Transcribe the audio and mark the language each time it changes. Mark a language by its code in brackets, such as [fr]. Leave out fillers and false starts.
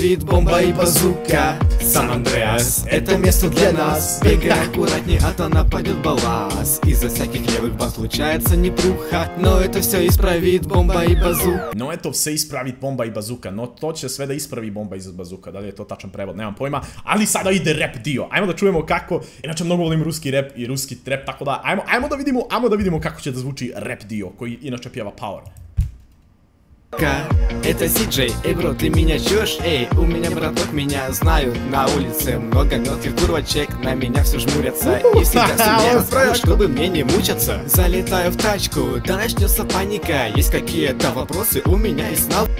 [ru] Бомба и базука, San Andreas, это место для нас. Бегай аккуратней, а то нападет балас. Из-за всяких левых вам случается непруха, но это все исправит бомба и базука. Но это все исправит бомба и базука, [sr] но то че све да исправи бомба из базука. Да ли это тачан превод, немам пойма. Али сада иде рэп дио, ајмо да чуемо како. Иначе много волим [ru] русский рэп и русский трэп, [sr] тако да ајмо да видимо како че да звучи рэп дио, који иначе пјева Power. [ru] Ка, это Си-Джей, эй, бро, ты меня чуешь? Эй, у меня браток, меня знают на улице. Много мелких курвочек, на меня все жмурятся. И всегда сумею расправить, чтобы мне не мучаться. Залетаю в тачку, да начнется паника. Есть какие-то вопросы, у меня есть снал.